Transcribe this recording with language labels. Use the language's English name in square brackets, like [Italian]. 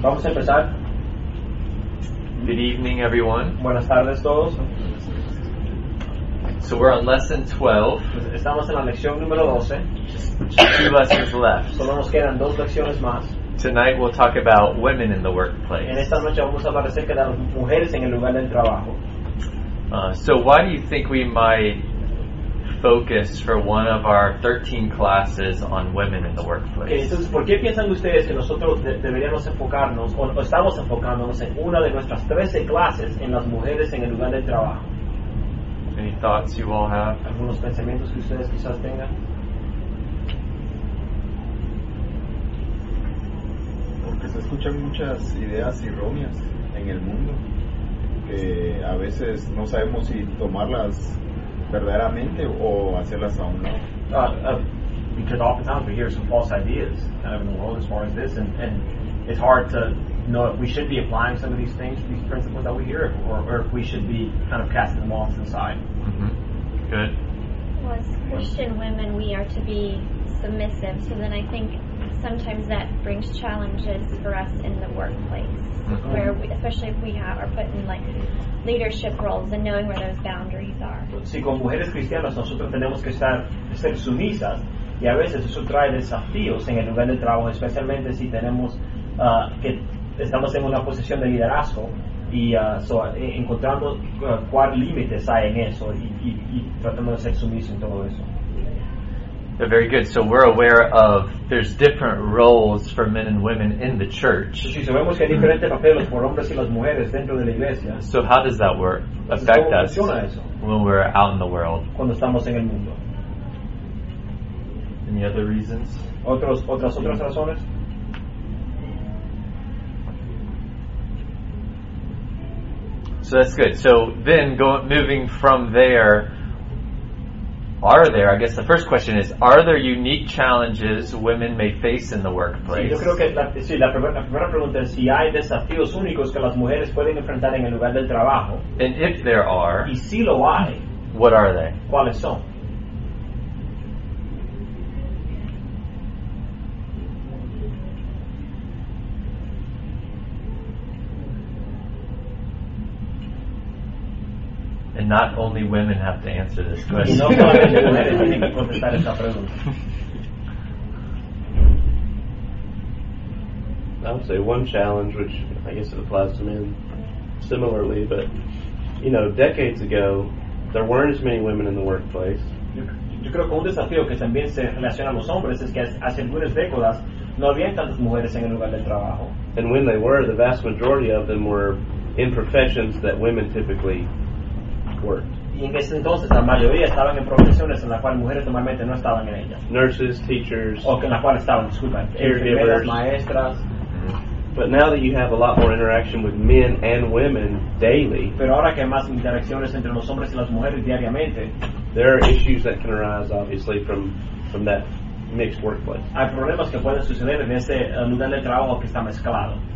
[Spanish] Vamos a empezar. [English] Good evening, everyone. [Spanish] Buenas tardes, todos. [English] So we're on lesson 12. [Spanish] Estamos en la lección número 12. [English] Two lessons left. [Spanish] Solo nos quedan dos lecciones más. [English] Tonight we'll talk about women in the workplace. [Spanish] En esta noche vamos a hablar acerca de las mujeres en el lugar del trabajo. [English] So why do you think we might focus for one of our 13 classes on women in the workplace? [Spanish] Okay, entonces, ¿por qué piensan ustedes que nosotros deberíamos enfocarnos o estamos enfocándonos en una de nuestras 13 clases en las mujeres en el lugar del trabajo? [English] Any thoughts you all have? [Spanish] ¿Algunos pensamientos que ustedes quizás tengan? Porque se escuchan muchas ideas erróneas en el mundo que a veces no sabemos si tomarlas verdaderamente o hacerlas a un lado. [English] Because oftentimes we hear some false ideas kind of in the world as far as this, and it's hard to know if we should be applying some of these things, these principles that we hear, or if we should be kind of casting them off to the side. Mm-hmm. Good. Well, as Christian women, we are to be submissive, so then I think sometimes that brings challenges for us in the workplace, mm-hmm. where we, especially if we have are put in like leadership roles and knowing where those boundaries are. [Spanish] Sí, como mujeres cristianas, nosotros tenemos que ser sumisas, y a veces eso trae desafíos en el lugar de trabajo, especialmente si tenemos que estamos en una posición de liderazgo y encontrando cuál límites hay en eso y tratando de ser sumiso en todo eso. [English] They're very good. So we're aware of there's different roles for men and women in the church. [Spanish] Sí, sabemos que hay diferentes papeles por hombres y las mujeres dentro de la iglesia. [English] So how does that work affect us when we're out in the world? [Spanish] Cuando estamos en el mundo. [English] Any other reasons? [Spanish] Otras razones. [English] So that's good. So then moving from there, the first question is, are there unique challenges women may face in the workplace? [Spanish] Sí, yo creo que la primera pregunta es si hay desafíos únicos que las mujeres pueden enfrentar en el lugar del trabajo. [English] And if there are, [Spanish] y si lo hay, [English] what are they? [Spanish] ¿Cuáles son? [English] And not only women have to answer this question. [Spanish] No solamente mujeres tienen que contestar esta pregunta. [English] I would say one challenge, which I guess it applies to men similarly, but you know, decades ago, there weren't as many women in the workplace. [Spanish] Yo creo que un desafío que también se relaciona a los hombres es que hace algunas décadas no había tantas mujeres en el lugar del trabajo. [English] And when they were, the vast majority of them were in professions that women typically worked. [Spanish] Y en ese entonces la mayoría estaban en profesiones en las cuales mujeres normalmente no estaban en ellas. [English] Nurses, teachers. [Spanish] O que en las cuales estaban, disculpa, enfermeras, maestras. [English] But now that you have a lot more interaction with men and women daily. [Spanish] Pero ahora que hay más interacciones entre los hombres y las mujeres diariamente. [English] There are issues that can arise, obviously, from that mixed workplace. [Spanish] Hay problemas que pueden suceder en ese lugar de trabajo que está mezclado.